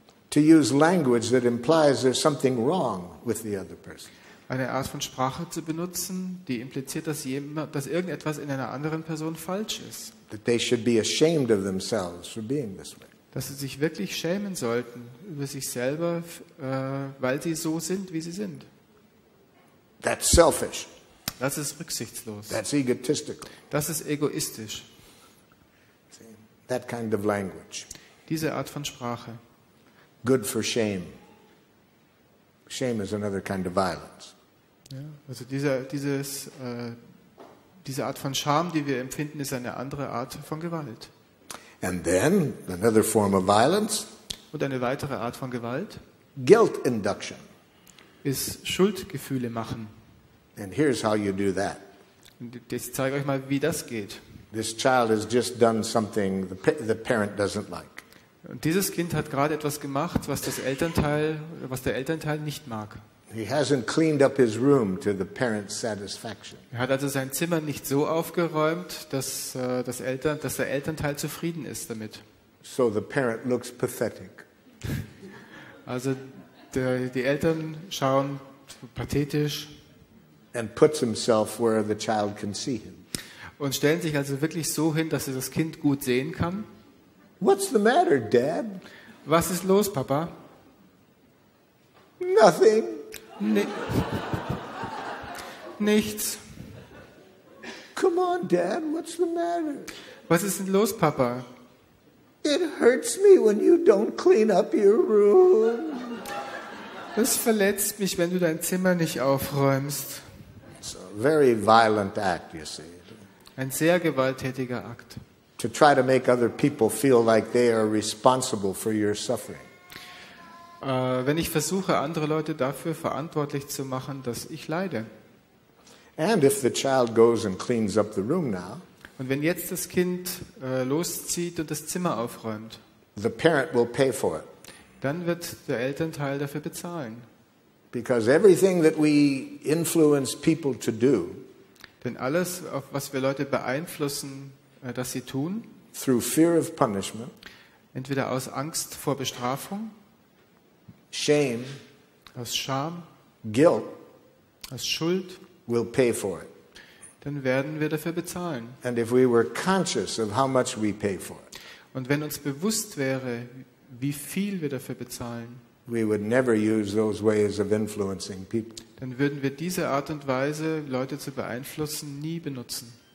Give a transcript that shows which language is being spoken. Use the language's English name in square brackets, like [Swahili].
[English] To use language that implies there's something wrong with the other person. [German] Eine Art von Sprache zu benutzen, die impliziert, dass irgendetwas in einer anderen Person falsch ist. [English] That they should be ashamed of themselves for being this way. [German] Dass sie sich wirklich schämen sollten über sich selber, weil sie so sind, wie sie sind. [English] That's selfish. [German] Das ist rücksichtslos. [English] That's egotistical. [German] Das ist egoistisch. [English] That kind of language. [German] Diese Art von Sprache. [English] Good for shame. Shame is another kind of violence. [German] Ja, also diese Art von Scham, die wir empfinden, ist eine andere Art von Gewalt. [English] And then another form of violence. [German] Und eine weitere Art von Gewalt. [English] Guilt induction. [German] Ist Schuldgefühle machen. [English] And here's how you do that. [German] Und ich zeige euch mal, wie das geht. [English] This child has just done something the parent doesn't like. [German] Und dieses Kind hat gerade etwas gemacht, was der Elternteil nicht mag. [English] He hasn't cleaned up his room to the parent's satisfaction. [German] Er hat also sein Zimmer nicht so aufgeräumt, dass der Elternteil zufrieden ist damit. [English] So the parent looks pathetic. [German] Also die Eltern schauen pathetisch. [English] And puts himself where the child can see him. [German] Und stellen sich also wirklich so hin, dass er das Kind gut sehen kann. [English] What's the matter, Dad? [German] Was ist los, Papa? [English] Nothing. [German] Nichts. [English] Come on, Dad, what's the matter? [German] Was ist denn los, Papa? [English] It hurts me when you don't clean up your room. [German] Es verletzt mich, wenn du dein Zimmer nicht aufräumst. [English] It's a very violent act, you see. [German] Ein sehr gewalttätiger Akt. [English] To try to make other people feel like they are responsible for your suffering. [German] Wenn ich versuche, andere Leute dafür verantwortlich zu machen, dass ich leide. [English] And if the child goes and cleans up the room now. [German] Und wenn jetzt das Kind loszieht und das Zimmer aufräumt. [English] The parent will pay for it. [German] Dann wird der Elternteil dafür bezahlen. [English] Because everything that we influence people to do. [German] Denn alles, auf was wir Leute beeinflussen, dass sie tun, [English] through fear of punishment, [German] entweder aus Angst vor Bestrafung, [English] shame, [German] aus Scham, [English] guilt, [German] aus Schuld, [English] will pay for it. [German] Dann werden wir dafür bezahlen. [English] And if we were conscious of how much we pay for it, [German] und wenn uns bewusst wäre, wie viel wir dafür bezahlen, [English] we would never use those ways of influencing people. [German] Dann würden wir diese Art und Weise, Leute zu beeinflussen, nie benutzen.